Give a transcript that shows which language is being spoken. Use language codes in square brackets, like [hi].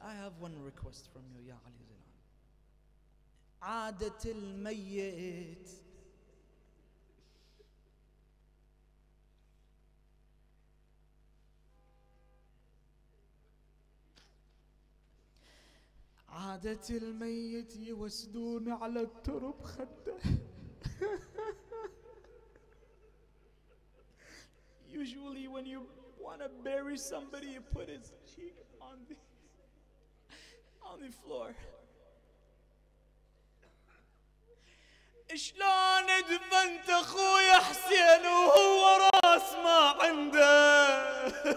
[en] I have one request from you, ya علي. [ar] عادة الميت عادة الميت يوسدون على الترب خده. [en] Usually when you want to bury somebody you put his cheek on the floor. [ar] شلون دفنت اخوي حسين وهو راس ما عنده.